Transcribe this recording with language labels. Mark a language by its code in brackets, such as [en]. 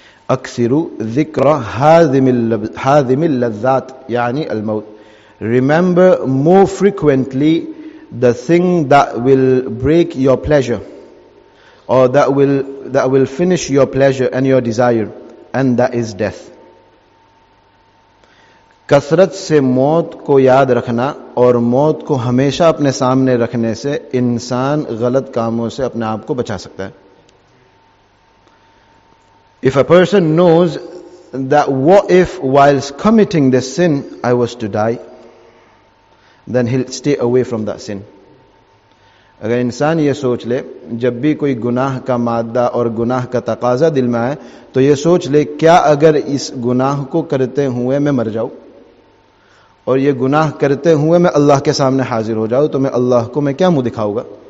[ar] أكثر ذكر هذم اللذات يعني الموت. [en] Remember more frequently the thing that will break your pleasure, or that will finish your pleasure and your desire, and that is death. [ur] کثرت سے موت کو یاد رکھنا اور موت کو ہمیشہ اپنے سامنے رکھنے سے انسان غلط کاموں سے اپنے آپ کو بچا سکتا ہے. [en] If a person knows that what if whilst committing this sin I was to die, then he'll stay away from that sin. [ur] اگر انسان یہ سوچ لے جب بھی کوئی گناہ کا مادہ اور گناہ کا تقاضا دل میں آئے تو یہ سوچ لے کیا اگر اس گناہ کو کرتے ہوئے میں مر جاؤں اور یہ گناہ کرتے ہوئے میں اللہ کے سامنے حاضر ہو جاؤں تو میں اللہ کو میں کیا منہ دکھاؤں گا.